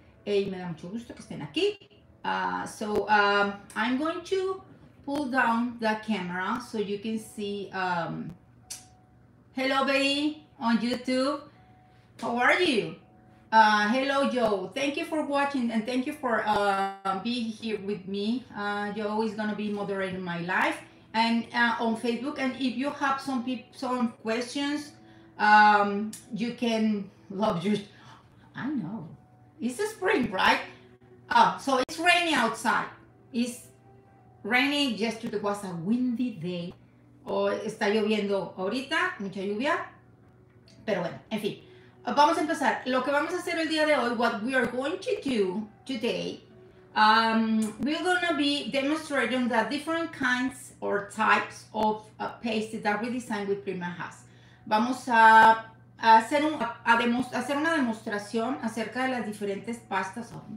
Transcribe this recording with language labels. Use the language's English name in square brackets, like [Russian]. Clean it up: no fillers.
[Spanish] Y me da mucho gusto que estén aquí. [English] I'm going to pull down the camera so you can see, hello, baby, on YouTube. How are you? Hello, Joe. Thank you for watching and thank you for being here with me. Joe is going to be moderating my life and on Facebook. And if you have some questions, you can love your... I know. It's the spring, right? Oh, so it's rainy outside. It's rainy. Yesterday was a windy day. [Spanish] Está lloviendo ahorita, mucha lluvia. Pero bueno, en fin. Vamos a empezar. Lo que vamos a hacer el día de hoy, [English] what we are going to do today, we're going to be demonstrating the different kinds or types of paste that we designed with Prima has. [Spanish] Vamos a hacer una demostración acerca de las diferentes pastas.